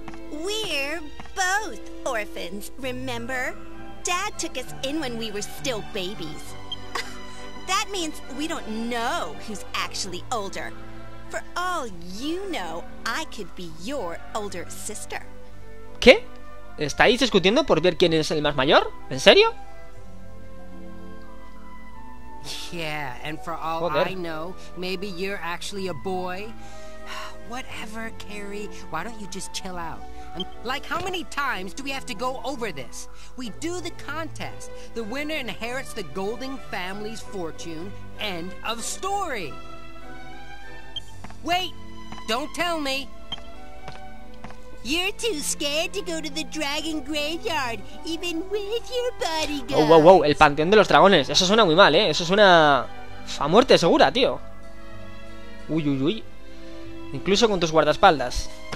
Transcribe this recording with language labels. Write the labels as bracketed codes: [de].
[en] We're both orphans, remember? Dad took us in when we were still babies. That means we don't know who's actually older. For all you know, I could be your older sister. [es] ¿Qué? ¿Estáis discutiendo por ver quién es el más mayor? ¿En serio? [en] Yeah, and for all I know, maybe you're actually a boy. Whatever, Carrie, why don't you just chill out? Like, how many times do we have to go over this? We do the contest. The winner inherits the Golden Family's fortune. End of story. Wait, don't tell me. You're too scared to go to the Dragon Graveyard, even with your bodyguard. [es] Oh, wow, wow, el panteón de los dragones. Eso suena muy mal, ¿eh? Eso suena a muerte segura, tío. Uy, uy, uy. Incluso con tus guardaespaldas.